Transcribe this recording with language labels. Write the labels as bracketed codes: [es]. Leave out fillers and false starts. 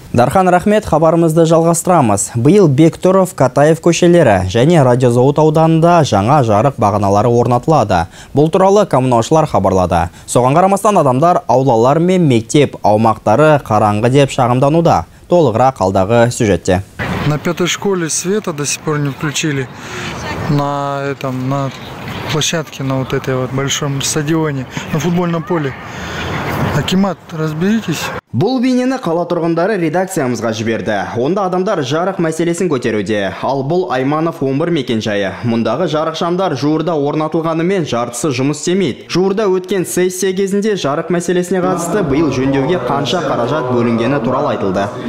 [kk] Дархан рахмет, хабарымызды жалғастырамыз. Биыл Бектұров, Катаев көшелері және Радиозауыт ауданында жаңа жарық бағаналары орнатылады. Бұл туралы коммунаушылар хабарлады. Соған қарамастан адамдар аулалар мен мектеп аумақтары қараңғы деп шағымдануда. Толығырақ алдағы сюжетте. [ru] На пятой школе света до сих пор не включили. На площадке, на вот этой вот большом стадионе, на футбольном поле. Акимат, разберитесь. [kk] Бұл бейнені қала тұрғындары редакциямызға жіберді. Онда адамдар жарық мәселесін көтеруде. Ал бұл Айманов 11 мекенжайы. Мұндағы жарық шамдар жуырда орнатылғанымен жартысы жұмыс істемейді. Жуырда өткен сессия кезінде жарық мәселесіне қатысты биыл жөндеуге қанша қаражат бөлінгені туралы айтылды.